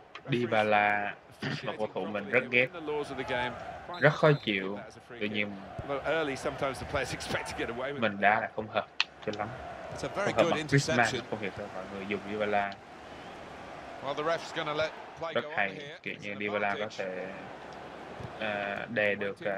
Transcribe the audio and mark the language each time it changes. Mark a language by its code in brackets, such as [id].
[vi] Dybala, một cầu thủ mình rất ghét. Rất khó chịu. Tuy nhiên, [en] early sometimes the players expect to get away with [vi] mình đá là không hợp cho lắm. [en] It's a very good interception. [vi] Không hiểu sao mọi người dùng Dybala. [en] Well, the ref's gonna let play [vi] rất hay, [en] go on here. [vi] Kiểu như Dybala có thể đè được